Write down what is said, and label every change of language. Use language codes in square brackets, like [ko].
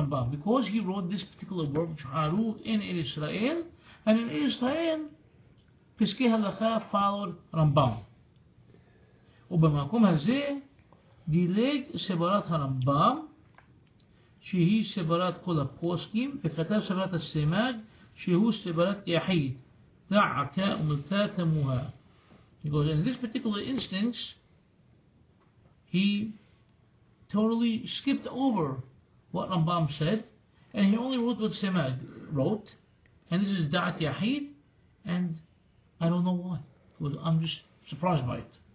[en] Because he wrote this particular work, Shaharuch, in Israel, and in Israel, Piskei Halakha followed Rambam. [he] ובמקום הזה, דילג סברת הרמב״ם, שהיא סברת כל הפוסקים, וכתב סברת הסימג, שהוא סברת יחיד, דעתה ומלתה תמוה. [en] Because in this particular instance, he totally skipped over what Rambam said, and he only wrote what Semag wrote, and this is Da'at Yahid, and I don't know why, because I'm just surprised by it.